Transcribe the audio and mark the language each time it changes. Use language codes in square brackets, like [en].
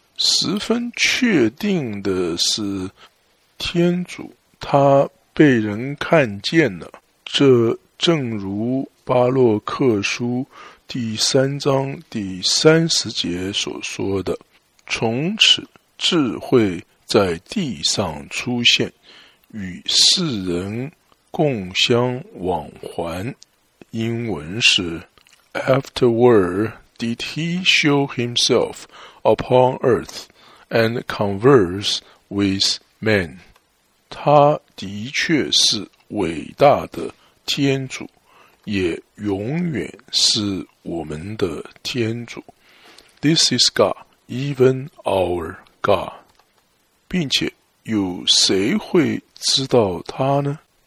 [zh] 十分确定的是，天主他被人看见了，这正如巴洛克书第三章第30节所说的，从此智慧在地上出现，与世人共相往还。英文是 [en] Afterward did he show himself upon earth and converse with men. [zh] 他的确是伟大的天主，也永远是我们的天主。 [en] This is God, even our God. [zh] 并且有谁会知道他呢？